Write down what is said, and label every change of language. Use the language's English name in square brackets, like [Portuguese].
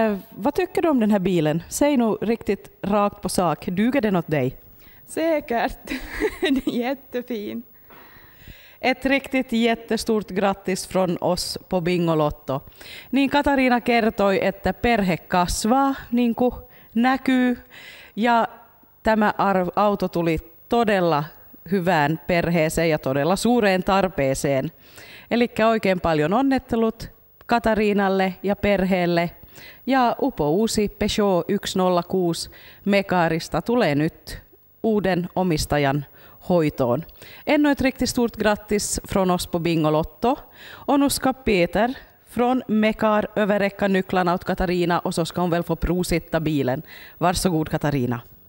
[Swedish] Vad tycker du om den här bilen? Säg nog riktigt rakt på sak. Duger den åt dig? Säkert. Den är jättefin. Ett riktigt jättestort grattis från oss på Bingolotto. [Finnish] Niin Katarina kertoi, että perhe kasvaa, niin kuin näkyy. Ja tämä auto tuli todella hyvään perheeseen ja todella suureen tarpeeseen. Eli oikein paljon onnittelut Katarinalle ja perheelle. Ja upo uusi Peugeot 106 Mekarista tulee nyt uuden omistajan hoitoon. [Swedish] Ännu ett riktigt stort grattis från oss på Bingolotto. Och nu ska Peter från Mekar överräcka nycklarna åt Katarina, och så ska hon väl få prositta bilen. Varsågod Katarina.